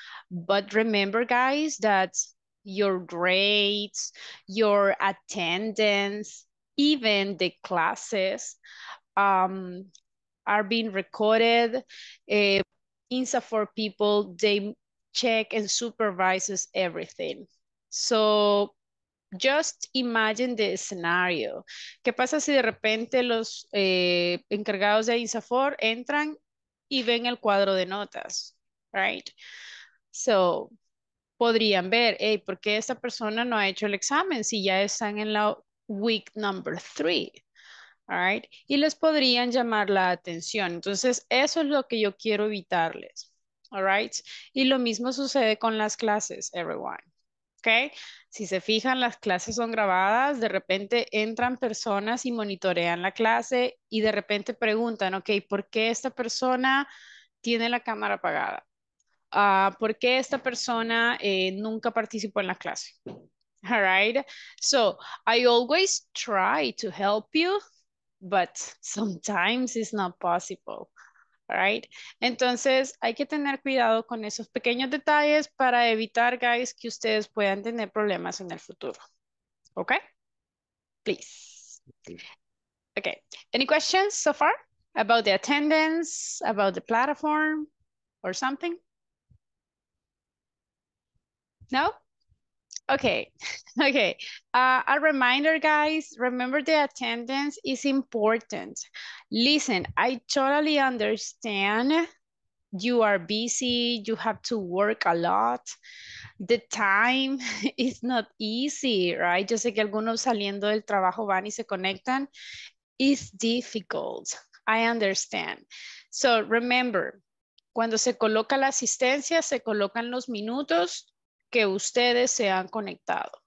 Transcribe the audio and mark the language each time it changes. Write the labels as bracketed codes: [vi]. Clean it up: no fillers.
[en] But remember, guys, that your grades, your attendance, even the classes are being recorded. INSA for people, they check and supervises everything. So just imagine the scenario. [es] ¿Qué pasa si de repente los encargados de INSAFOR entran y ven el cuadro de notas? [en] Right? [es] So, podrían ver, hey, ¿por qué esta persona no ha hecho el examen si ya están en la [en] week number three? All right? [es] Y les podrían llamar la atención. Entonces, eso es lo que yo quiero evitarles. [en] All right? [es] Y lo mismo sucede con las clases, [en] everyone. [es] Okay, si se fijan, las clases son grabadas, de repente entran personas y monitorean la clase y de repente preguntan, okay, ¿por qué esta persona tiene la cámara apagada? ¿Por qué esta persona nunca participó en la clase? [en] All right, so I always try to help you, but sometimes it's not possible. Right? [es] Entonces, hay que tener cuidado con esos pequeños detalles para evitar, guys, que ustedes puedan tener problemas en el futuro. [en] Okay? Please. Okay. Any questions so far about the attendance, about the platform, or something? No? Okay. Okay. A reminder, guys, remember the attendance is important. Listen, I totally understand you are busy, you have to work a lot. The time is not easy, right? [es] Yo sé que algunos saliendo del trabajo van y se conectan. [en] It's difficult. I understand. So remember, [es] cuando se coloca la asistencia, se colocan los minutos que ustedes se han conectado.